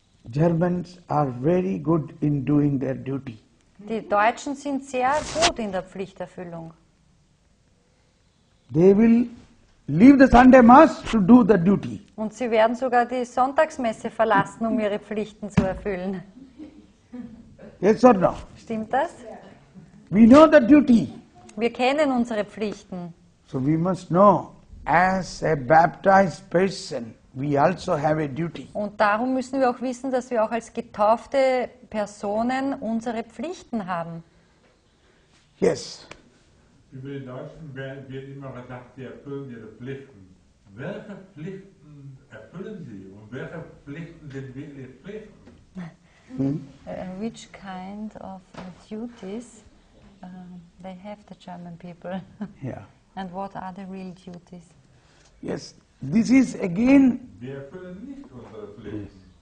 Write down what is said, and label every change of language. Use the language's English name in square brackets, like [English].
[English] Germans are very good in doing their duty. [German] Die Deutschen sind sehr gut in der Pflichterfüllung. [English] They will leave the Sunday Mass to do the duty. [German] Und sie werden sogar die Sonntagsmesse verlassen, um ihre Pflichten zu erfüllen. [English] Yes or no? [German] Stimmt das? [English] We know the duty. [German] Wir kennen unsere Pflichten. [English] So we must know, as a baptized person, we also have a duty. [German] Und darum müssen wir auch wissen, dass wir auch als getaufte Personen unsere Pflichten haben. [English] Yes. [German] Über den Deutschen wird immer gedacht, sie erfüllen ihre Pflichten. Welche Pflichten erfüllen sie? Und welche Pflichten sind wirklich Pflichten? [English] Which kind of duties? They have the German people. Yeah. And what are the real duties? Yes, this is again. [German] We erfüllen nicht unsere Pflichten.